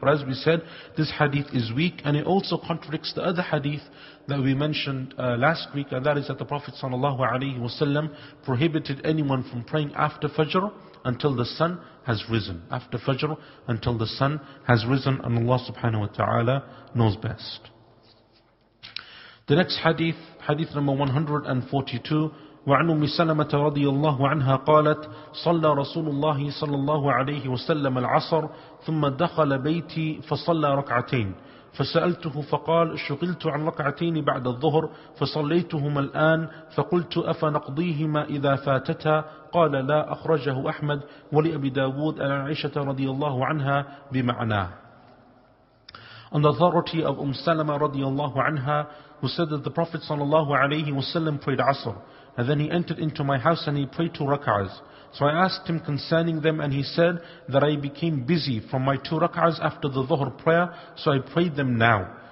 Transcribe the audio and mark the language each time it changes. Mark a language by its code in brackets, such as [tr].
[en] But as we said, this hadith is weak, and it also contradicts the other hadith that we mentioned last week, and that is that the Prophet ﷺ prohibited anyone from praying after Fajr until the sun has risen. After Fajr until the sun has risen, and Allah subhanahu wa ta'ala knows best. The next hadith, hadith number 142, [ar] وعن أم سلمة رضي الله عنها قالت صلى رسول الله صلى الله عليه وسلم العصر ثم دخل بيتي فصلى ركعتين فسألته فقال شغلت عن ركعتين بعد الظهر فصليتهما الآن فقلت أفنقضيهما إذا فاتتا قال لا أخرجه أحمد ولأبي داود عن عائشة رضي الله عنها بمعناه. [en] On the authority of Umm Salama [ar] رضي الله عنها, [en] who said that the Prophet [ar] صلى الله عليه وسلم [en] prayed عصر, and then he entered into my house and he prayed two rak'ahs. So I asked him concerning them and he said that I became busy from my two rak'ahs after the dhuhr prayer, so I prayed them now.